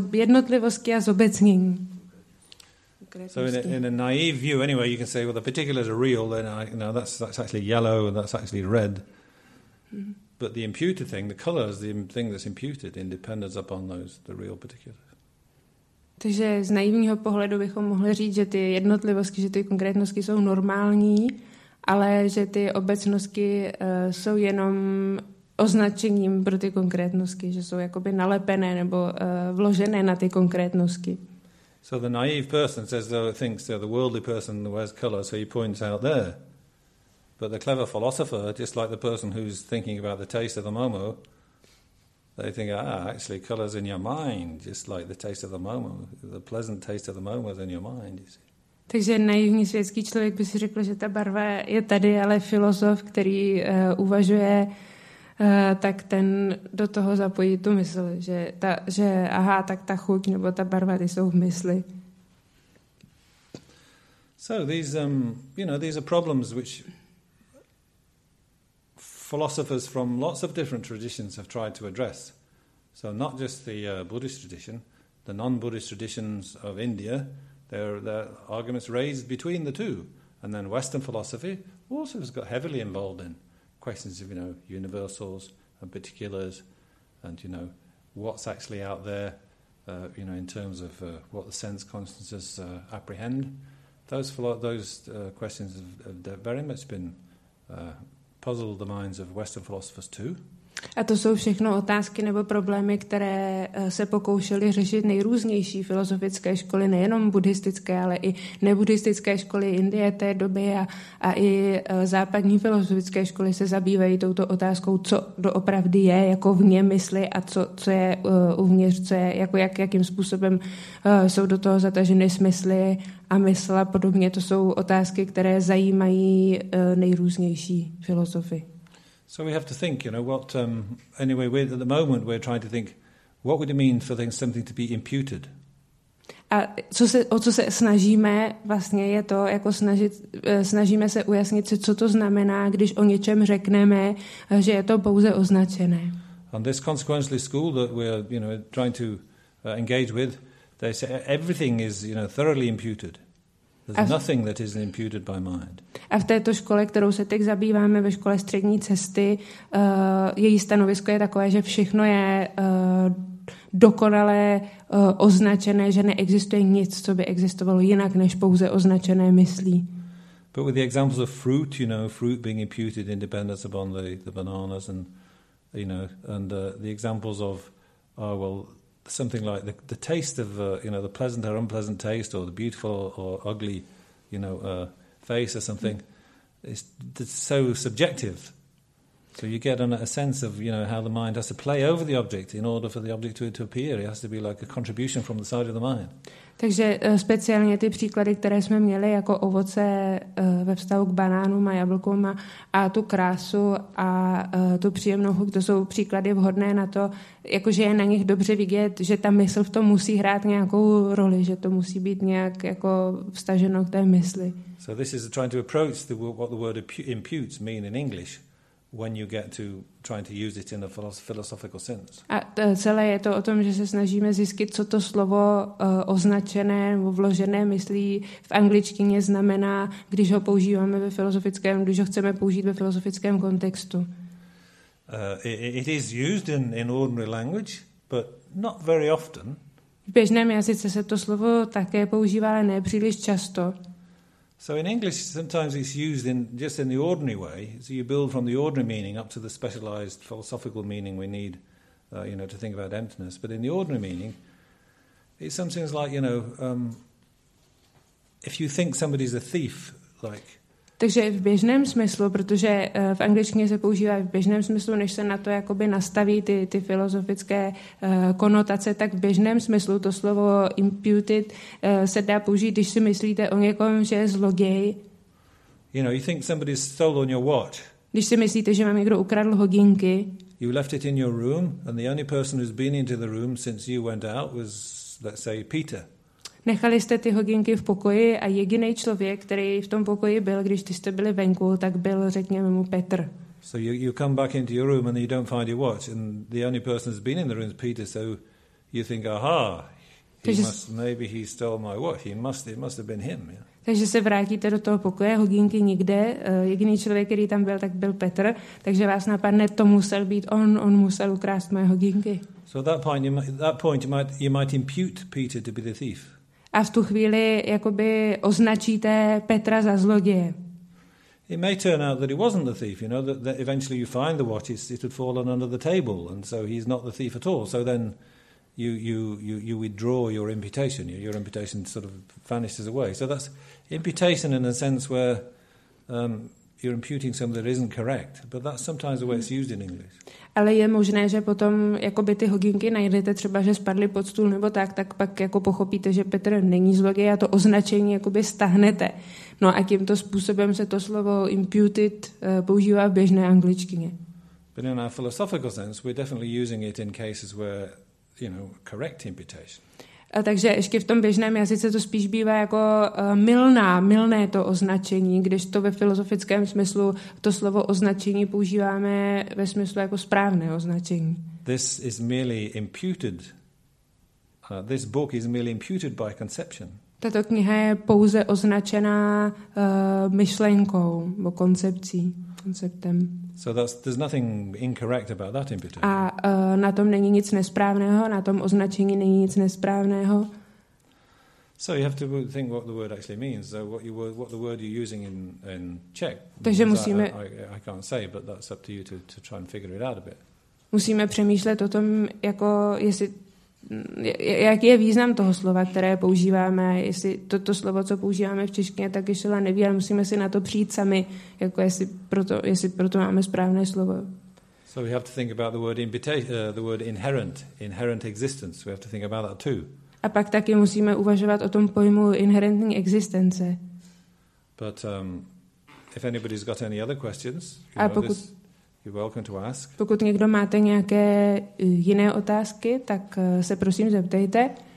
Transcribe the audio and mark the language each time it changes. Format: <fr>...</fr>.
<cs>Jednotlivosti a zobecnění.</cs> <en>So in a naive view anyway, you can say, well, the particulars are real, then that's actually yellow and that's actually red. But the imputed thing, the color is the thing that's imputed in dependence upon those, the real particulars.</en> <cs>Takže z naivního pohledu bychom mohli říct, že ty jednotlivosti, že ty konkrétnosti jsou normální, ale že ty obecnosti jsou jenom označením pro ty konkrétnosti, že jsou jakoby nalepené nebo vložené na ty konkrétnosti.</cs> <en>So the naive person says thinks the worldly person wears color, so he points out there. But the clever philosopher, just like the person who's thinking about the taste of the momo, they think, actually, colors in your mind, just like the taste of the moment, the pleasant taste of the moment is in your mind. You see.</en> <cs>Takže naivní světský člověk by si řekl, že ta barva je tady, ale filozof, který uvažuje, tak ten do toho zapojí tu mysl, že ta chuť nebo ta barva, ty jsou v mysli.</cs> <en>So these are problems which philosophers from lots of different traditions have tried to address. So not just the Buddhist tradition, the non-Buddhist traditions of India, there are arguments raised between the two. And then Western philosophy also has got heavily involved in questions of, you know, universals and particulars and, you know, what's actually out there, you know, in terms of what the sense consciousness apprehend. Those questions have very much been puzzled the minds of Western philosophers too.</en> <cs>A to jsou všechno otázky nebo problémy, které se pokoušely řešit nejrůznější filozofické školy, nejenom buddhistické, ale i nebuddhistické školy Indie té doby a i západní filozofické školy se zabývají touto otázkou, co doopravdy je jako vně mysli a co je uvnitř, co je, jako jakým způsobem jsou do toho zataženy smysly a mysl a podobně. To jsou otázky, které zajímají nejrůznější filozofy.</cs> <en>So we have to think, you know, what, anyway, we're, at the moment we're trying to think, what would it mean for something to be imputed?</en> <cs>A o co se snažíme vlastně je to, jako snažíme se ujasnit si, co to znamená, když o něčem řekneme, že je to pouze označené.</cs> <en>And this consequently school that we're, you know, trying to engage with, they say everything is, you know, thoroughly imputed. There's nothing that isn't imputed by mind.</en> <cs>A v této škole, kterou se teď zabýváme, ve škole střední cesty, její stanovisko je takové, že všechno je dokonale označené, že neexistuje nic, co by existovalo jinak než pouze označené myslí.</cs> <en>But with the examples of fruit, you know, fruit being imputed in dependence upon the bananas and, you know, and the examples of something like the taste of you know, the pleasant or unpleasant taste, or the beautiful or ugly, you know, face or something, it's so subjective. So you get a sense of, you know, how the mind has to play over the object in order for the object to appear. It has to be like a contribution from the side of the mind.</en> <cs>Takže speciálně ty příklady, které jsme měli jako ovoce ve vztahu k banánům a jablkům a tu krásu a tu příjemnou chuť, to jsou příklady vhodné na to, jakože je na nich dobře vidět, že ta mysl v tom musí hrát nějakou roli, že to musí být nějak jako vstaženo k té mysli.</cs> <en>So this is trying to approach what the word imputes mean in English. When you get to trying to use it in a philosophical sense.</en> <cs>A celé je to o tom, že se snažíme zjistit, co to slovo označené nebo vložené myslí v angličtině znamená, když ho používáme ve filozofickém, když ho chceme použít ve filozofickém kontextu.</cs> <en>It is used in ordinary language, but not very often.</en> <cs>V běžném jazyce se to slovo také používá, ale ne příliš často.</cs> <en>So in English, sometimes it's used in just in the ordinary way. So you build from the ordinary meaning up to the specialized philosophical meaning we need, you know, to think about emptiness. But in the ordinary meaning, it's something like, you know, if you think somebody's a thief, like.</en> <cs>Takže v běžném smyslu, protože v angličtině se používá v běžném smyslu, než se na to jakoby nastaví ty filozofické konotace, tak v běžném smyslu to slovo imputed se dá použít, když si myslíte o někom, že je zloděj.</cs> <en>You know, you think somebody's stolen your watch.</en> <cs>Když si myslíte, že vám někdo ukradl hodinky.</cs> <en>You left it in your room and the only person who's been into the room since you went out was, let's say, Peter.</en> <cs>Nechali jste ty hodinky v pokoji a jediný člověk, který v tom pokoji byl, když ty jste byli venku, tak byl, řekněme mu, Petr.</cs> <en>So you come back into your room and you don't find your watch and the only person who's been in the room is Peter, so you think, aha, maybe he stole my watch, it must have been him. Yeah.</en> <cs>Takže se vrátíte do toho pokoje, hodinky nikde, jediný člověk, který tam byl, tak byl Petr, takže vás napadne, to musel být on musel ukrást moje hodinky.</cs> <en>So at that point you might impute Peter to be the thief.</en> <cs>A v tu chvíli jakoby označíte Petra za zloděje.</cs> <en>It may turn out that he wasn't the thief, you know, that eventually you find the watch, it had fallen under the table, and so he's not the thief at all. So then you withdraw your imputation, your imputation sort of vanishes away. So that's imputation in a sense where you're imputing something that isn't correct, but that's sometimes the way it's used in English.</en> <cs>Ale je možné, že potom jakoby ty hodinky najdete třeba, že spadly pod stůl nebo tak pak jako pochopíte, že Petr není zloděj a to označení jakoby stáhnete. No a tímto způsobem se to slovo imputed používá v běžné angličtině.</cs> <en>But in our philosophical sense, we're definitely using it in cases where, you know, correct imputation.</en> <cs>A takže ještě v tom běžném jazyce to spíš bývá jako mylné to označení, když to ve filozofickém smyslu to slovo označení používáme ve smyslu jako správné označení.</cs> <en>This is merely imputed. This book is merely imputed by conception.</en> <cs>Tato kniha je pouze označená myšlenkou nebo koncepcí. Conceptem.</cs> <en>So there's nothing incorrect about that imputation.</en> <cs>A na tom není nic nesprávného, na tom označení není nic nesprávného.</cs> <en>So you have to think what the word actually means. So what the word you're using in Czech.</en> <cs>Takže musíme.</cs> <en>I can't say, but that's up to you to try and figure it out a bit.</en> <cs>musíme přemýšlet o tom, jako jestli, jaký je význam toho slova, které používáme, jestli to slovo, co používáme v češtině, tak je šelanevý, ale musíme si na to přijít sami, jako jestli proto máme správné slovo.</cs> <en>So we have to think about the word inherent existence. We have to think about that too.</en> <cs>A pak taky musíme uvažovat o tom pojmu inherentní existence.</cs> <en>But if anybody's got any other questions, you're welcome to ask.</en> <cs>Pokud někdo máte nějaké jiné otázky, tak se prosím zeptejte.</cs>